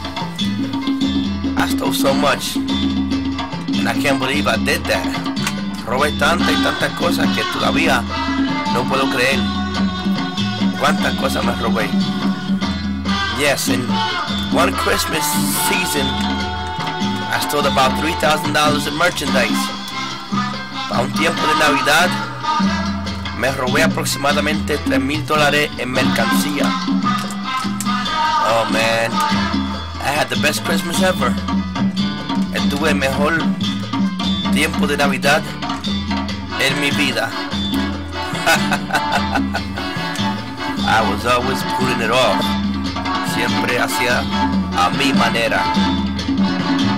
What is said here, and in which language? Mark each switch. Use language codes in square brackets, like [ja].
[en] I stole so much, and I can't believe I did that. [es] Robé tantas y tantas cosas que todavía no puedo creer cuántas cosas me robé. [en] Yes, in one Christmas season, I stole about $3,000 in merchandise. [es] Para un tiempo de Navidad, me robé aproximadamente $3,000 en mercancía. [en] Oh man, I had the best Christmas ever. [es] Tuve el mejor tiempo de Navidad en mi vida. [en] I was always pulling it off. [es] Siempre hacía a mi manera.